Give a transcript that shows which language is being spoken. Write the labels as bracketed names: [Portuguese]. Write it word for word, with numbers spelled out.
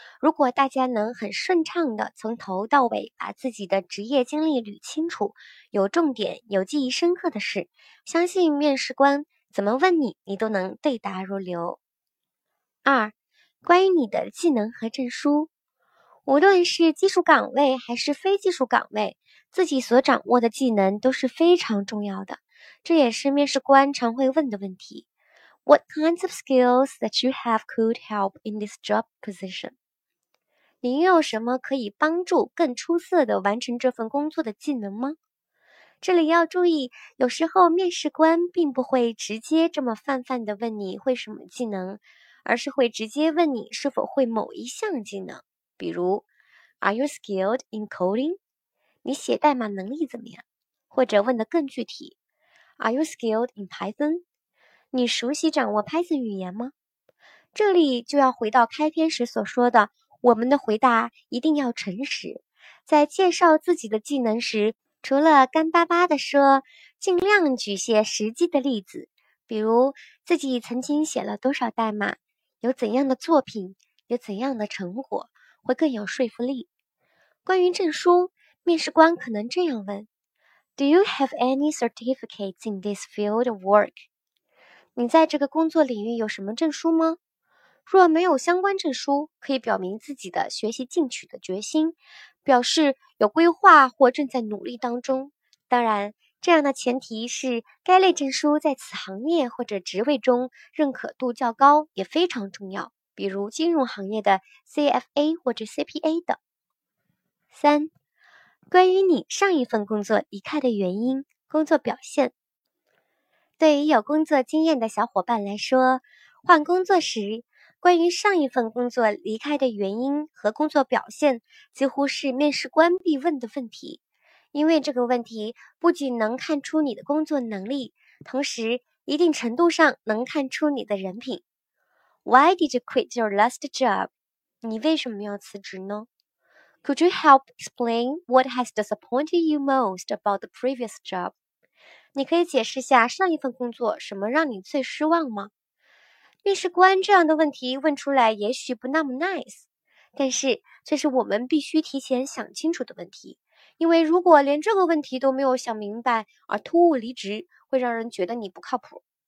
[Chinese] 如果大家能很顺畅的从头到尾把自己的职业经历捋清楚，有重点、有记忆深刻的事，相信面试官怎么问你，你都能对答如流。二、关于你的技能和证书，无论是技术岗位还是非技术岗位，自己所掌握的技能都是非常重要的。这也是面试官常会问的问题。 [English] What kinds of skills that you have could help in this job position? [Chinese] 你有什么可以帮助更出色地完成这份工作的技能吗？这里要注意，有时候面试官并不会直接这么泛泛地问你会什么技能，而是会直接问你是否会某一项技能，比如 [English] Are you skilled in coding? [Chinese] 你写代码能力怎么样？或者问得更具体， [English] Are you skilled in Python? [Chinese] 你熟悉掌握 Python 语言吗？这里就要回到开篇时所说的，我们的回答一定要诚实。在介绍自己的技能时，除了干巴巴的说，尽量举些实际的例子，比如自己曾经写了多少代码，有怎样的作品，有怎样的成果，会更有说服力。关于证书，面试官可能这样问。 [English] Do you have any certificates in this field of work? [Chinese] 你在这个工作领域有什么证书吗？若没有相关证书，可以表明自己的学习进取的决心，表示有规划或正在努力当中。当然，这样的前提是该类证书在此行业或者职位中认可度较高，也非常重要，比如金融行业的 C F A 或者 C P A 等。三、关于你上一份工作离开的原因，工作表现。对于有工作经验的小伙伴来说，换工作时，关于上一份工作离开的原因和工作表现，几乎是面试官必问的问题。因为这个问题不仅能看出你的工作能力，同时一定程度上能看出你的人品。 [English] Why did you quit your last job? [Chinese] 你为什么要辞职呢？ [English] Could you help explain what has disappointed you most about the previous job? [Chinese] 你可以解释下上一份工作什么让你最失望吗？面试官这样的问题问出来也许不那么 nice， 但是这是我们必须提前想清楚的问题，因为如果连这个问题都没有想明白而突兀离职，会让人觉得你不靠谱。